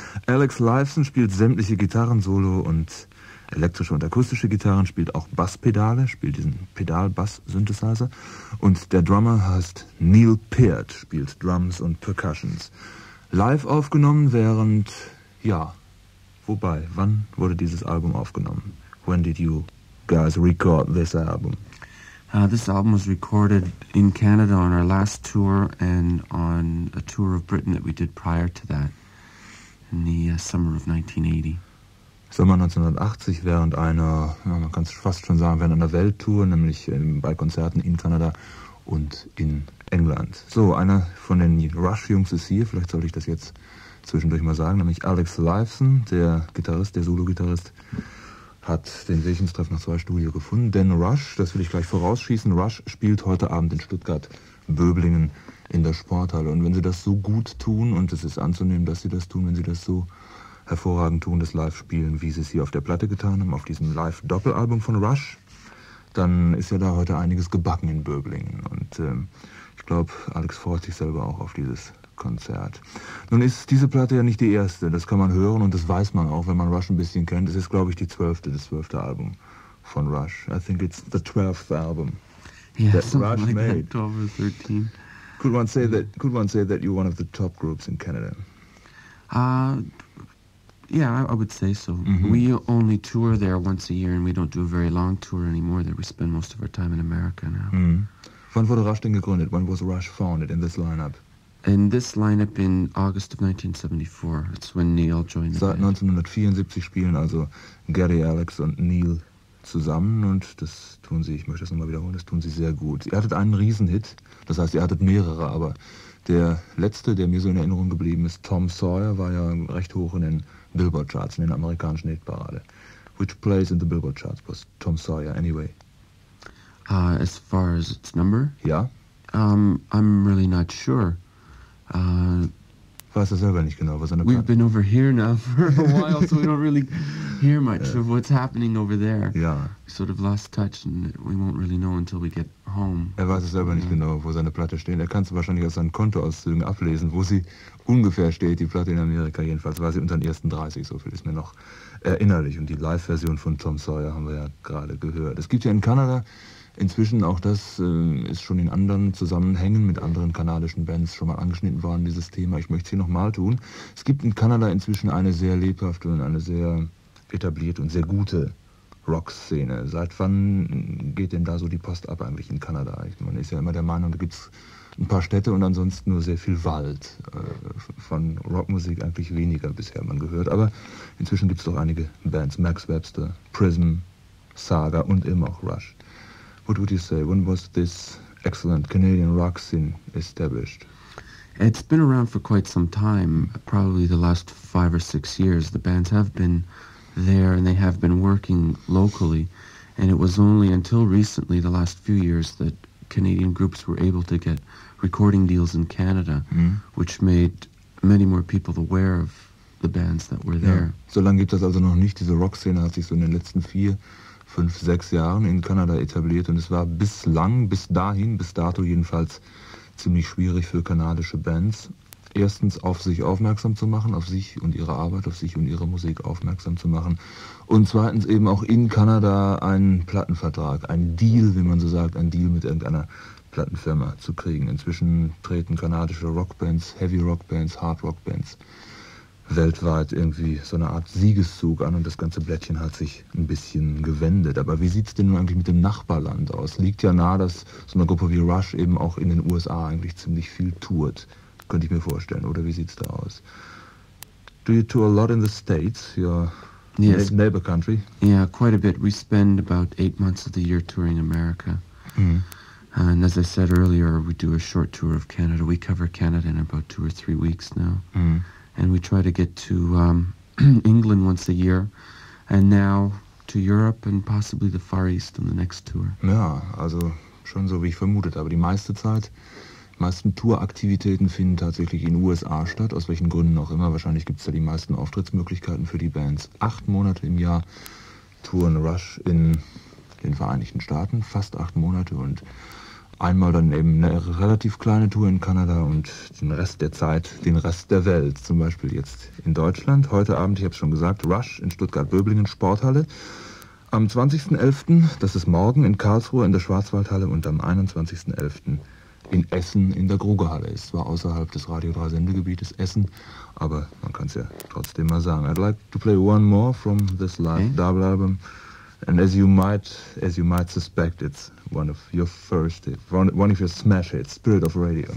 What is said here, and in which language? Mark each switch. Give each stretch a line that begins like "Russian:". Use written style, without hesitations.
German: Alex Lifeson spielt sämtliche Gitarrensolo und elektrische und akustische Gitarren, spielt auch Basspedale, spielt diesen Pedal-Bass-Synthesizer. Und der Drummer heißt Neil Peart, spielt Drums und Percussions. Live aufgenommen während, ja, wobei, wann wurde dieses Album aufgenommen?
English: When did you guys record this album? This album was recorded in Canada on our last tour and on a tour of Britain that we did prior to that, in the summer of 1980. Sommer 1980, während einer, ja, man kann es fast schon sagen, während einer Welttour, nämlich bei Konzerten in Kanada und in England. So, einer von den Rush-Jungs ist hier, vielleicht sollte ich das jetzt zwischendurch mal sagen, nämlich Alex Lifeson, der Gitarrist, der Solo-Gitarrist, hat den Sehenstreff nach zwei Studio gefunden, denn Rush, das will ich gleich vorausschießen, Rush spielt heute Abend in Stuttgart-Böblingen in der Sporthalle. Und wenn sie das so gut tun, und es ist anzunehmen, dass sie das tun, wenn sie das so hervorragend tun, das Live-Spielen, wie sie es hier auf der Platte getan haben, auf diesem Live-Doppelalbum von Rush, dann ist ja da heute einiges gebacken in Böblingen. Und ich glaube, Alex freut sich selber auch auf dieses Konzert. Nun ist diese Platte ja nicht die erste, das kann man hören und das weiß man auch, wenn man Rush ein bisschen kennt. Es ist, glaube ich, das zwölfte Album von Rush. I think it's the 12th album that Rush like made. 12 or 13. Could one say that you're one of the top groups in Canada? Yeah, I would say so. Mm-hmm. We only tour there once a year and we don't do a very long tour anymore. We spend most of our time in America now. Mm-hmm.
German: Wann wurde Rush denn gegründet?
English: When was Rush founded in this lineup? In this lineup in August of 1974, that's when Neil joined the band.
German: Seit 1974 spielen also Gary, Alex und Neil zusammen und das tun sie, ich möchte das nochmal wiederholen, das tun sie sehr gut. Ihr hattet einen Riesenhit, das heißt, ihr hattet mehrere, aber der letzte, der mir so in Erinnerung geblieben ist, Tom Sawyer, war ja recht hoch in den Billboard Charts, in den amerikanischen Hitparade.
English: Which place in the Billboard Charts was Tom Sawyer anyway? As far as its number?
German: Ja.
English: I'm really not sure.
German: Weiß er selber nicht genau, was er
English: We've been over here now for a while, so we don't really hear much of what's happening over there. Yeah. We sort of lost touch and we won't really know until we get home.
German: Er weiß es selber nicht genau, wo seine Platte steht. Er kann es wahrscheinlich aus seinen Kontoauszügen ablesen, wo sie ungefähr steht, die Platte in Amerika jedenfalls. War sie unter den ersten 30, so viel ist mir noch erinnerlich. Und die Live-Version von Tom Sawyer haben wir ja gerade gehört. Es gibt ja in Kanada inzwischen, auch das ist schon in anderen Zusammenhängen mit anderen kanadischen Bands schon mal angeschnitten worden, dieses Thema. Ich möchte es hier nochmal tun. Es gibt in Kanada inzwischen eine sehr lebhafte und eine sehr etablierte und sehr gute Rockszene. Seit wann geht denn da so die Post ab eigentlich in Kanada? Man ist ja immer der Meinung, da gibt es ein paar Städte und ansonsten nur sehr viel Wald. Von Rockmusik eigentlich weniger bisher man gehört. Aber inzwischen gibt es doch einige Bands. Max Webster, Prism, Saga und immer auch Rush.
English: What would you say? When was this excellent Canadian rock scene established? It's been around for quite some time, probably the last 5 or 6 years. The bands have been there and they have been working locally. And it was only until recently, the last few years, that Canadian groups were able to get recording deals in Canada, which made many more people aware of the bands that were there.
German: Ja. So lange gibt es also noch nicht. Diese Rockszene hat sich so in den letzten 5, 6 Jahren in Kanada etabliert und es war bis dato jedenfalls ziemlich schwierig für kanadische Bands, erstens auf sich aufmerksam zu machen, auf sich und ihre Arbeit, auf sich und ihre Musik aufmerksam zu machen und zweitens eben auch in Kanada einen Plattenvertrag, einen Deal, wie man so sagt, einen Deal mit irgendeiner Plattenfirma zu kriegen. Inzwischen treten kanadische Rockbands, Heavy Rockbands, Hard Rockbands weltweit irgendwie so eine Art Siegeszug an und das ganze Blättchen hat sich ein bisschen gewendet. Aber wie sieht es denn nun eigentlich mit dem Nachbarland aus? Liegt ja nahe, dass so eine Gruppe wie Rush eben auch in den USA eigentlich ziemlich viel tourt, könnte ich mir vorstellen. Oder wie sieht es da aus?
English: Do you tour a lot in the States, your yes. neighbor country? Yeah, quite a bit. We spend about 8 months of the year touring America. And as I said earlier, we do a short tour of Canada. We cover Canada in about 2 or 3 weeks now. And we try to get to England once a year, and now to Europe and possibly the Far East on the next tour.
German: Ja, also schon so, wie ich vermutet habe. Die meiste Zeit meisten Touraktivitäten finden tatsächlich in USA statt, aus welchen Gründen auch immer. Wahrscheinlich gibt es da die meisten Auftrittsmöglichkeiten für die Bands. 8 Monate im Jahr touren Rush in den Vereinigten Staaten, fast 8 Monate, und einmal dann eben eine relativ kleine Tour in Kanada und den Rest der Zeit, den Rest der Welt, zum Beispiel jetzt in Deutschland. Heute Abend, ich habe es schon gesagt, Rush in Stuttgart-Böblingen, Sporthalle. Am 20.11., das ist morgen, in Karlsruhe in der Schwarzwaldhalle, und am 21.11. in Essen in der Grugehalle. Ist zwar außerhalb des Radio 3 Sendegebietes Essen, aber man kann es ja trotzdem mal sagen.
English: I'd like to play one more from this live double album. And as you might suspect, it's one of your smash hits, Spirit of Radio.